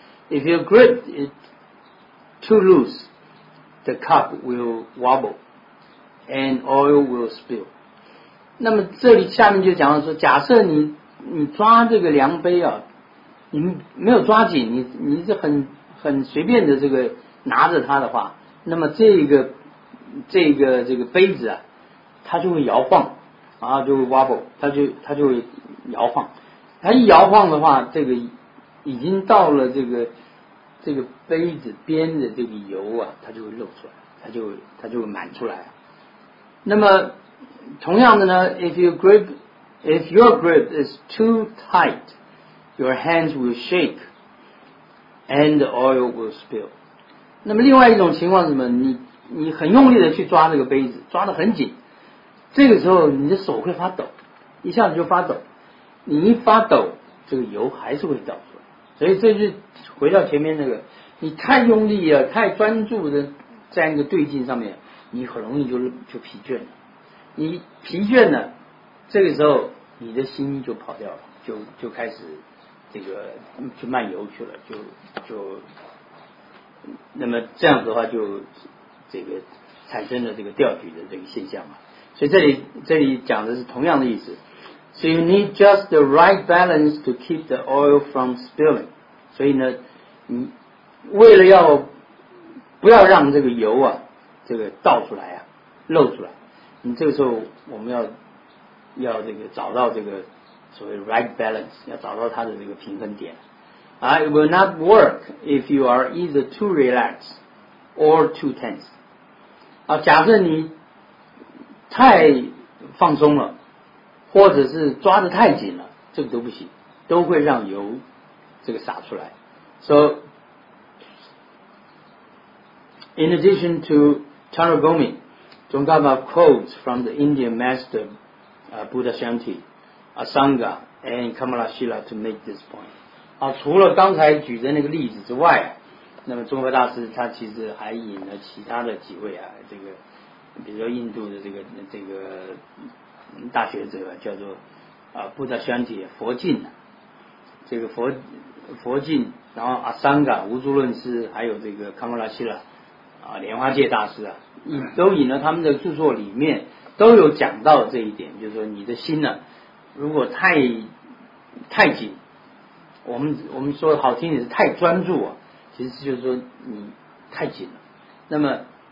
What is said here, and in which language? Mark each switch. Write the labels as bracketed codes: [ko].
[en] If you grip it too loose, the cup will wobble and oil will spill. [zh] 那么这里下面就讲到说，假设你抓这个量杯啊，你没有抓紧，你是很随便的这个拿着它的话，那么这个杯子啊，它就会摇晃，然后就会 wobble， 它就会摇晃。它一摇晃的话，这个已经到了这个杯子边的这个油啊，它就会漏出来，它就会满出来。那么同样的呢， [en] if your grip is too tight, your hands will shake and the oil will spill. [zh] 那么另外一种情况是什么？你很用力的去抓这个杯子，抓得很紧，这个时候你的手会发抖，一下子就发抖，你一发抖这个油还是会倒出来。所以这就回到前面那个，你太用力啊，太专注的在那个对劲上面，你很容易就疲倦了。你疲倦了，这个时候你的心就跑掉了，就开始这个去漫游去了，就那么这样子的话就这个产生了这个调举的这个现象嘛。所以这里讲的是同样的意思。 [en] So you need just the right balance to keep the oil from spilling. [zh] 所以呢，你为了要不要让这个油啊，这个倒出来啊，漏出来，你这个时候我们要这个找到这个所谓 [en] right balance， [zh] 要找到它的这个平衡点。 [en] It will not work if you are either too relaxed or too tense. [zh] 啊，假设你太放松了，或者是抓得太紧了，这个都不行，都会让油这个洒出来。 [en] So in addition to Tarragomi, Tsongkhapa quotes from the Indian master Buddha Shanti, Asanga and Kamalashila to make this point. [zh] 啊，除了刚才举的那个例子之外，那么中国大师他其实还引了其他的几位啊，这个比如说印度的这个大学者叫做布达香提佛净，这个佛净，然后阿桑嘎无著论师，还有这个康莫拉希拉莲花界大师啊，都引了他们的著作里面都有讲到这一点，就是说你的心呢，如果太紧，我们说好听点是太专注啊，其实就是说你太紧了，那么